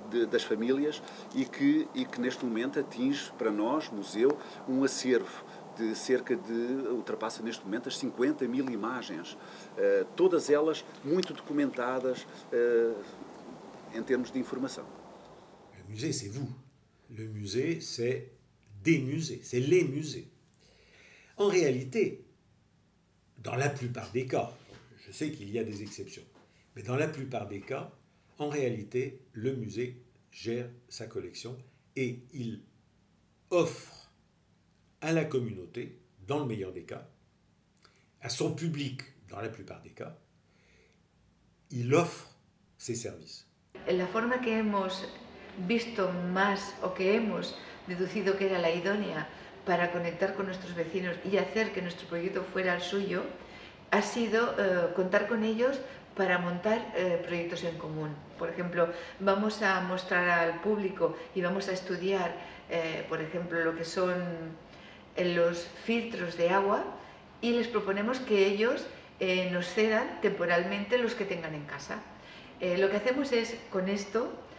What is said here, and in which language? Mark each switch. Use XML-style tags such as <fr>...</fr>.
<pt>das famílias e que neste momento atinge para nós, museu, um acervo de ultrapassa neste momento as 50 mil imagens, todas elas muito documentadas,</pt> <fr>en termes d'information. Le musée, c'est vous. Le musée, c'est des musées, c'est les musées. En réalité, dans la plupart des cas, je sais qu'il y a des exceptions, mais dans la plupart des cas, en réalité, le musée gère sa collection et il offre à la communauté, dans le meilleur des cas, à son public, dans la plupart des cas, il offre ses services.</fr> <es>La forma que hemos visto más o que hemos deducido que era la idónea para conectar con nuestros vecinos y hacer que nuestro proyecto fuera el suyo ha sido contar con ellos para montar proyectos en común. Por ejemplo, vamos a mostrar al público y vamos a estudiar, por ejemplo, lo que son los filtros de agua y les proponemos que ellos nos cedan temporalmente los que tengan en casa. Lo que hacemos es, con esto,</es>